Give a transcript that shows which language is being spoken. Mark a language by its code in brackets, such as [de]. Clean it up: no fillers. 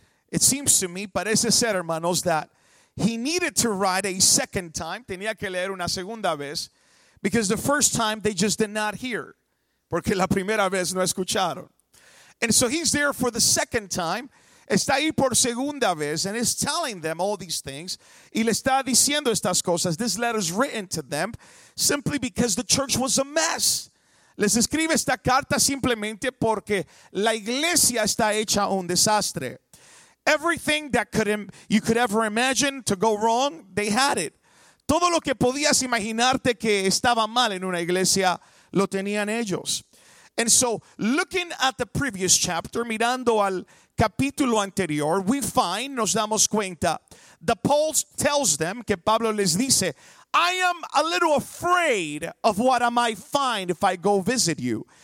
[en] It seems to me, [es] parece ser, hermanos, [en] that he needed to write a second time, [es] tenía que leer una segunda vez, [en] because the first time they just did not hear, [es] porque la primera vez no escucharon. [en] And so he's there for the second time. [es] Está ahí por segunda vez, [en] and is telling them all these things. [es] Y le está diciendo estas cosas. [en] This letter is written to them simply because the church was a mess. [es] Les escribe esta carta simplemente porque la iglesia está hecha un desastre. [en] Everything that you could ever imagine to go wrong, they had it. [es] Todo lo que podías imaginarte que estaba mal en una iglesia, lo tenían ellos. [en] And so, looking at the previous chapter, [es] mirando al capítulo anterior, [en] we find, [es] nos damos cuenta, [en] that Paul tells them, [es] que Pablo les dice, [en] I am a little afraid of what I might find if I go visit you.